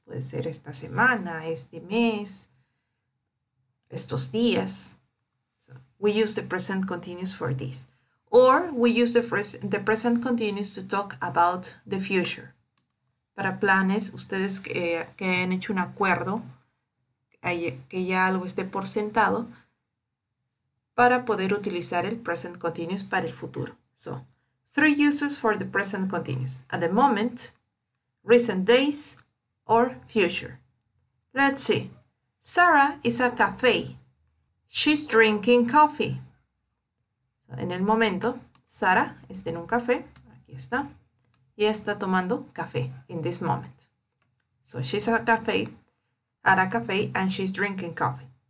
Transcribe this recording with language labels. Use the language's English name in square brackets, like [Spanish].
[Spanish] Puede ser esta semana, este mes, estos días. [English] So, we use the present continuous for this. Or we use the present continuous to talk about the future. [Spanish] Para planes, ustedes que han hecho un acuerdo, que ya algo esté por sentado, para poder utilizar el present continuous para el futuro. [English] So, three uses for the present continuous. At the moment, recent days, or future. Let's see. Sarah is at a cafe. She's drinking coffee. [Spanish] En el momento, Sara está en un café. Aquí está. Y está tomando café. [English] In this moment. So she's at a cafe and she's drinking coffee.